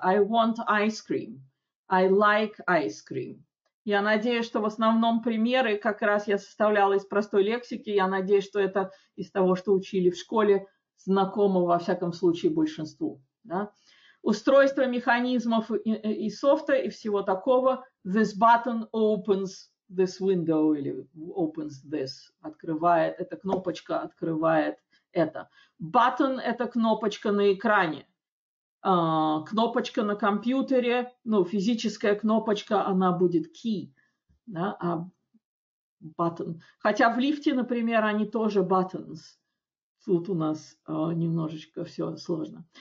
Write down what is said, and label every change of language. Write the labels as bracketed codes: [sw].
[en] I want ice cream. I like ice cream. [ru] Я надеюсь, что в основном примеры, как раз я составляла из простой лексики, я надеюсь, что это из того, что учили в школе, знакомо во всяком случае большинству. Да? Устройство механизмов и софта и всего такого. [en] This button opens this window или opens this. [ru] Открывает, эта кнопочка открывает это. Button – это кнопочка на экране. Кнопочка на компьютере, ну, физическая кнопочка, она будет key, да, а button. Хотя в лифте, например, они тоже buttons. Тут у нас немножечко все сложно.